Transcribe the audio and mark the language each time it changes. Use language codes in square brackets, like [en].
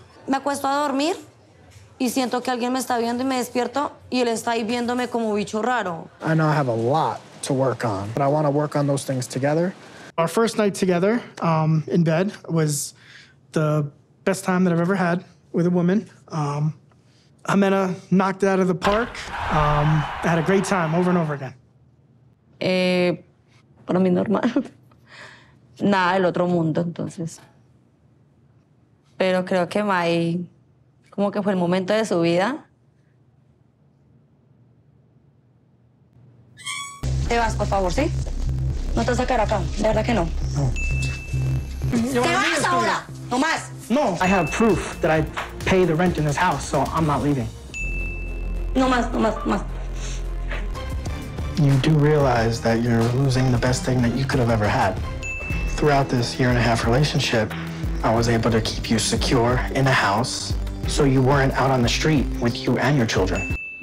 [es] Me acuesto a dormir y siento que alguien me está viendo y me despierto y él está ahí viéndome como bicho raro. [en] I know I have a lot to work on, but I want to work on those things together. Our first night together in bed was the best time that I've ever had with a woman. Jimena knocked it out of the park. I had a great time over and over again. [es] Para mí normal. Nada del otro mundo, entonces. Pero creo que Mai, como que fue el momento de su vida. Te vas, por favor, ¿sí? No te vas a quedar acá, de verdad que no. No. ¡Te vas ahora! ¡No más! No. [en] I have proof that I pay the rent in this house, so I'm not leaving. [es] No más, no más, no más. [en] You do realize that you're losing the best thing that you could have ever had. Throughout this year and a half relationship, I was able to keep you secure in a house so you weren't out on the street with you and your children.